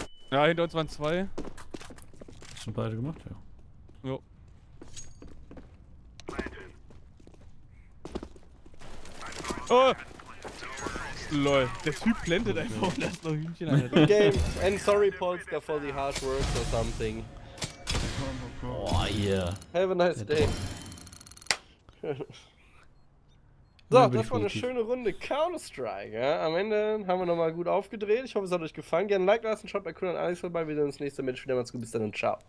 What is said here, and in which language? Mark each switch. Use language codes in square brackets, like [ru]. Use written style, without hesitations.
[de] Ja, hinter uns waren zwei. Das sind beide gemacht, ja. Jo. Oh! Lol, der Typ blendet einfach und lässt noch Hühnchen an. [en] Game, and sorry, Polska, for the harsh words or something. [de] komm. Boah, hier. [en] Have a nice day. [de] So, das war eine schöne Runde Counter-Strike. Ja? Am Ende haben wir nochmal gut aufgedreht. Ich hoffe, es hat euch gefallen. Gerne ein Like lassen, schaut bei Kuhn und Alex vorbei. Wir sehen uns nächste Mal. Bis dann und ciao.